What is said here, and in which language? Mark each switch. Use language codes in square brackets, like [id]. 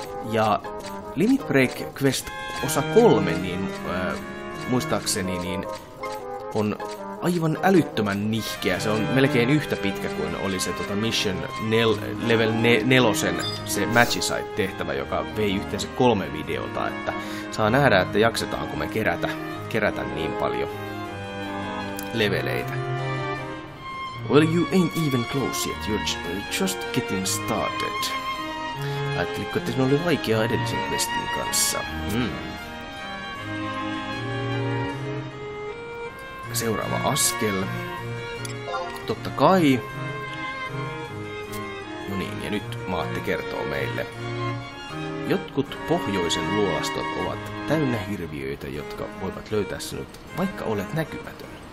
[fi] Ja Limit Break Quest osa 3, niin muistaakseni, niin on aivan älyttömän nihkeä. Se on melkein yhtä pitkä kuin oli se Mission Level 4, se Magicide-tehtävä, joka vei yhteensä 3 videota. Että saa nähdä, että jaksetaanko me kerätä niin paljon leveleitä. [en] Well, you ain't even close yet. You're just getting started. [fi] Ajattelitko, että sinä oli vaikeaa edellisen questin kanssa? Seuraava askel. Totta kai. No niin, ja nyt Maatti kertoo meille. Jotkut pohjoisen luolastot ovat täynnä hirviöitä, jotka voivat löytää sinut, vaikka olet näkymätön.